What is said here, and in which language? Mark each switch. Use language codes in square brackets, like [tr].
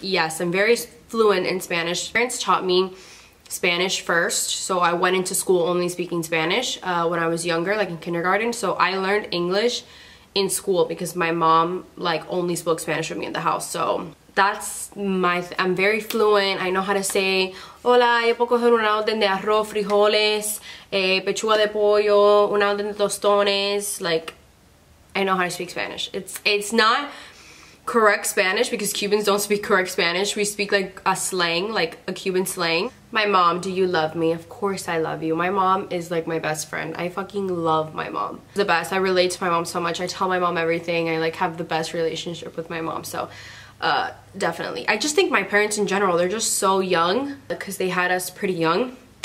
[en] Yes, I'm very fluent in Spanish. My parents taught me Spanish first, so I went into school only speaking Spanish when I was younger, like in kindergarten. So I learned English in school because my mom like only spoke Spanish with me in the house. So that's my, I'm very fluent. I know how to say [es] hola, yo puedo coger una orden de arroz, frijoles, pechuga de pollo, una orden de tostones. [en] Like I know how to speak Spanish. It's not correct Spanish because Cubans don't speak correct Spanish. We speak like a slang, like a Cuban slang. My mom, do you love me? Of course I love you. My mom is like my best friend. I fucking love my mom. The best. I relate to my mom so much. I tell my mom everything. I like have the best relationship with my mom. So definitely. I just think my parents in general, they're just so young because they had us pretty young.